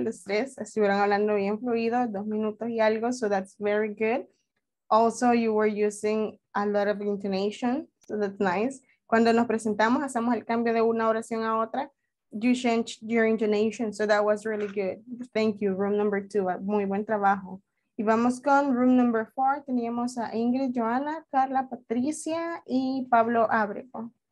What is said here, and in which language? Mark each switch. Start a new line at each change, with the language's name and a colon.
Spanish: Los tres estuvieron hablando bien fluido, 2 minutos y algo.
English: So that's very good. Also, you were using a lot of intonation. So that's nice.
Spanish: Cuando nos presentamos, hacemos el cambio de una oración a otra.
English: You changed your intonation, so that was really good. Thank you, room number two.
Spanish: Muy buen trabajo. Y vamos con
English: room number four.
Spanish: Teníamos a Ingrid, Joana, Carla, Patricia y Pablo Abrego.